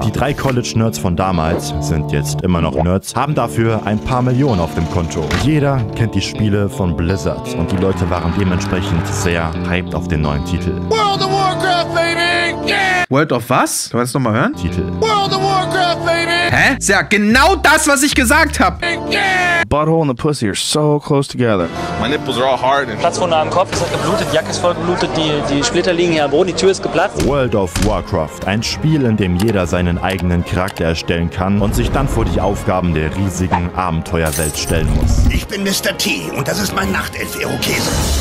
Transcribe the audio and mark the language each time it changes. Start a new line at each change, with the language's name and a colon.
German: Die drei College-Nerds von damals sind jetzt immer noch Nerds, haben dafür ein paar Millionen auf dem Konto. Jeder kennt die Spiele von Blizzard und die Leute waren dementsprechend sehr hyped auf den neuen Titel.
English: World of Warcraft, baby! Yeah!
German: World of was? Kann man das nochmal hören? Titel.
English: World of Warcraft, baby!
German: Hä? Ist ja genau das, was ich gesagt hab!
English: Yeah! Butthole and the pussy are so close together. My nipples are all hard.
German: Platzwunde am Kopf, es hat geblutet, die Jacke ist voll geblutet, die Splitter liegen hier am Boden, die Tür ist geplatzt. World of Warcraft, ein Spiel, in dem jeder seinen eigenen Charakter erstellen kann und sich dann vor die Aufgaben der riesigen Abenteuerwelt stellen muss. Ich bin Mr. T und das ist mein Nachtelf-Irokese.